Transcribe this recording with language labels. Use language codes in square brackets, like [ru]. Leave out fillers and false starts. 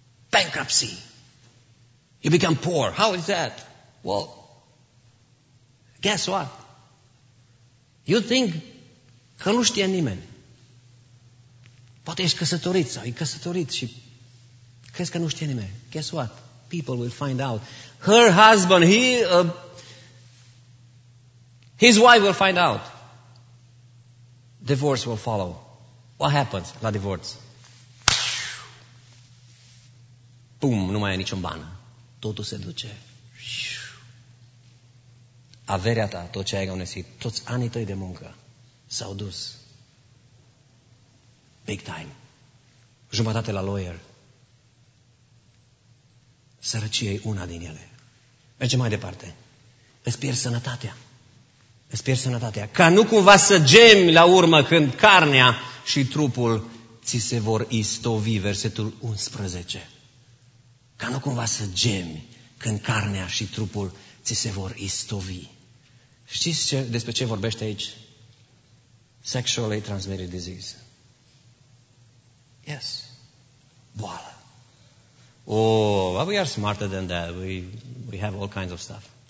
[en] Bankruptcy. You become poor. How is that? Well, guess what? You think [ro] că nu știe nimeni. Poate ești căsătorit sau e căsătorit și crezi că nu știe nimeni. [en] Guess what? People will find out. Her husband, his wife will find out. Divorce will follow. What happens la divorce? [ro] Pum, nu mai e niciun ban. Totul se duce. Averea ta, tot ce ai găsit, toți anii tăi de muncă s-au dus. [en] Big time. [ro] Jumătate la lawyer. Sărăcie e una din ele. Mergem mai departe. Îți pierzi sănătatea. Ca nu cumva să gemi la urmă când carnea și trupul ți se vor istovi. Versetul 11. Ca nu cumva să gemi când carnea și trupul ți se vor istovi. Știți ce, despre ce vorbește aici? [en] Sexually transmitted disease. [ro] Yes. Boală. [en] Oh, we are smarter than that. We have all kinds of stuff.